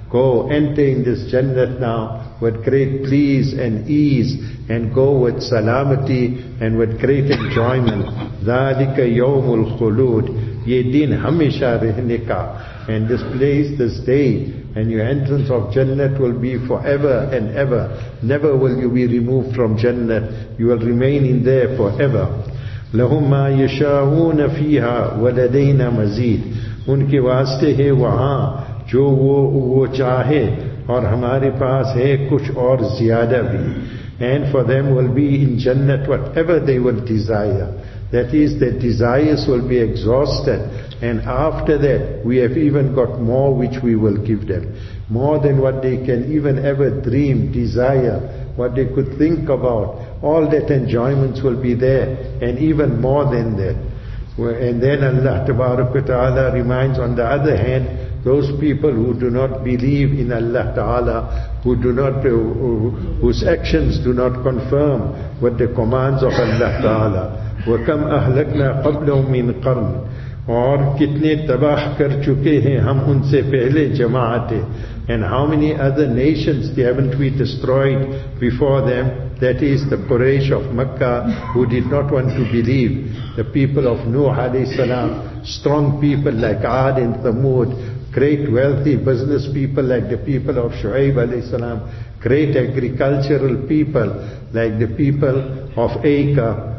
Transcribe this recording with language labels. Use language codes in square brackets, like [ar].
[en] Go, enter in this Jannat now with great please and ease, and go with salamati and with great enjoyment. [ar] Dhalika yawmul khulud, [ur] ye din hamesha rehne ka. [en] And this place, this day, and your entrance of Jannat will be forever and ever. Never will you be removed from Jannat. You will remain in there forever. [ar] لَهُمْ مَا يَشَاهُونَ فِيهَا وَلَدَيْنَا مَزِيدٌ [ur] ان کے واسطے ہے وہاں جو وہ چاہے اور ہمارے پاس ہے کچھ اور زیادہ بھی. [en] And for them will be in Jannat whatever they will desire. That is, their desires will be exhausted. And after that, we have even got more which we will give them. More than what they can even ever dream, desire, what they could think about. All that enjoyments will be there, and even more than that. And then Allah Tabarak wa Ta'ala reminds, on the other hand, those people who do not believe in Allah Ta'ala, whose actions do not confirm with the commands of Allah Ta'ala. [ar] وَكَمْ أَهْلَكْنَا قَبْلَهُمْ مِنْ قَرْنِ [ur] اور کتنے تباہ کر چکے ہیں ہم ان سے پہلے جماعتیں. [en] And how many other nations they haven't we destroyed before them? That is the Quraysh of Makkah, who did not want to believe. The people of Nuh alayhi salam, strong people like Ad and Thamud, great wealthy business people like the people of Shu'ayb alayhi salam, great agricultural people like the people of Aika.